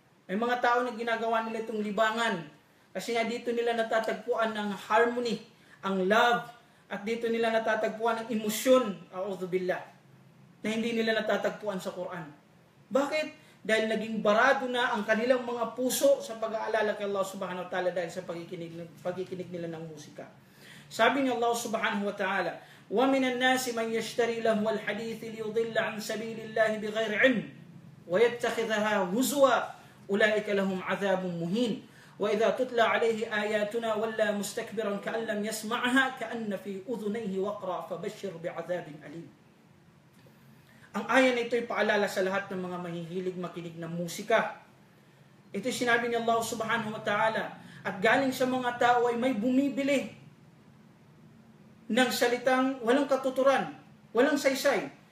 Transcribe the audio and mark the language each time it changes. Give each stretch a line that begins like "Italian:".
Filipino: May mga tao na ginagawa nila itong libangan kasi nga dito nila natatagpuan ng harmony, ang love, at dito nila natatagpuan ng emosyon, a'udhu billah, na hindi nila natatagpuan sa Quran. Bakit? Dahil naging barado na ang kanilang mga puso sa pag-aalala kay Allah subhanahu wa ta'ala dahil sa pagkikinig nila ng musika. Sabi ni Allah
Arabic: subhanahu wa ta'ala, وَمِنَ النَّاسِ مَنْ يَشْتَرِي لَهُ الْحَدِيثِ لِيُضِلَّ عَنْ سَبِيلِ اللَّهِ بِغَيْرِ عِلْمٍ وَيَتَّخِذَهَا هُزُوًا أُولَئِكَ لَهُمْ عَذَابٌ مُهِينٌ وَإِذَا تُتْلَى عَلَيْهِ آيَاتُنَا وَلَّى مُسْتَكْبِرًا كَأَنْ لَمْ يَسْمَعْهَا كَأَنَّ فِي أُذُنَيْهِ وَقْرًا فَبَشِّرْ بِعَذَابٍ أَلِيمٍ.
Filipino: Ang aya na ito ay paalala sa lahat ng mga mahihilig makinig ng musika. Ito sinabi ni Allah subhanahu wa ta'ala, at galing sa mga tao ay may bumibili ng salitang walang katuturan, walang saysay.